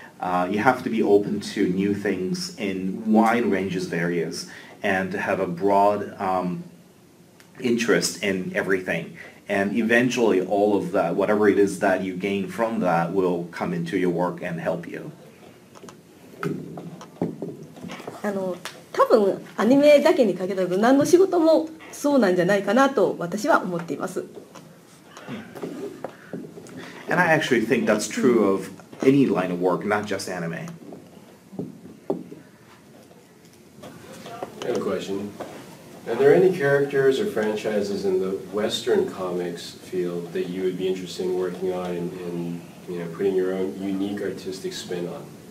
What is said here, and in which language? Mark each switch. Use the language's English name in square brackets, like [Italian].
[English] You have to be open to new things in wide ranges of areas and to have a broad interest in everything, and eventually all of that, whatever it is that you gain from that, will come into your work and help you. [Japanese] あの多分アニメだけに限らず何の仕事もそうなんじゃないかなと私は思っています。 [English] And I actually think that's true of any line of work, not just anime. I have a question. Are there any characters or franchises in the Western comics field that you would be interested in working on and you know, putting your own unique artistic spin on?